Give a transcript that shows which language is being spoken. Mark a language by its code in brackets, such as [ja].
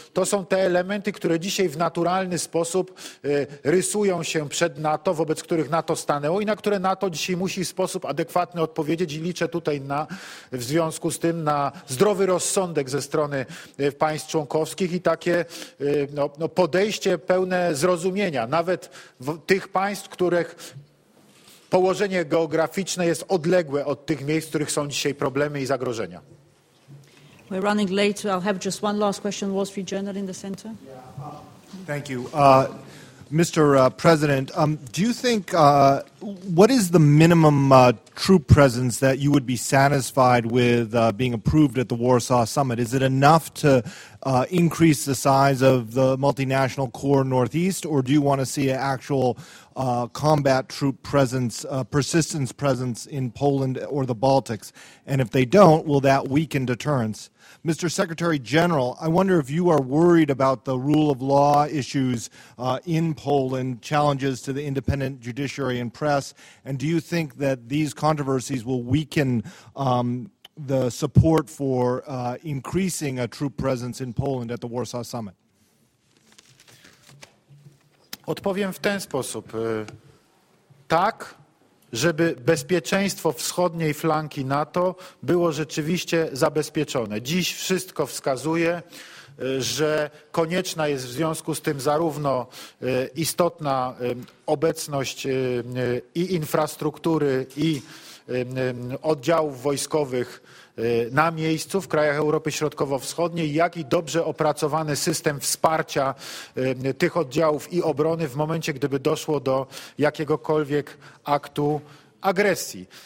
[pl] To są te elementy, które dzisiaj w naturalny sposób rysują się przed NATO, wobec których NATO stanęło i na które NATO dzisiaj musi w sposób adekwatny odpowiedzieć i liczę tutaj w związku z tym na zdrowy rozsądek ze strony państw członkowskich i takie podejście pełne zrozumienia, nawet tych państw, których położenie geograficzne jest odległe od tych miejsc, w których są dzisiaj problemy i zagrożenia. [en] We're running late. I'll have just one last question. Wall Street Journal in the center. Thank you. Mr. President, do you think, what is the minimum troop presence that you would be satisfied with being approved at the Warsaw Summit? Is it enough to increase the size of the multinational corps northeast, or do you want to see an actual combat troop presence, persistence presence in Poland or the Baltics? And if they don't, will that weaken deterrence? Mr. Secretary General, I wonder if you are worried about the rule of law issues in Poland, challenges to the independent judiciary and press, and do you think that these controversies will weaken the support for increasing a troop presence in Poland at the Warsaw Summit? [pl] Odpowiem w ten sposób. Tak, żeby bezpieczeństwo wschodniej flanki NATO było rzeczywiście zabezpieczone. Dziś wszystko wskazuje, że konieczna jest w związku z tym zarówno istotna obecność i infrastruktury, i oddziałów wojskowych na miejscu w krajach Europy Środkowo-Wschodniej, jak i dobrze opracowany system wsparcia tych oddziałów i obrony w momencie, gdyby doszło do jakiegokolwiek aktu agresji.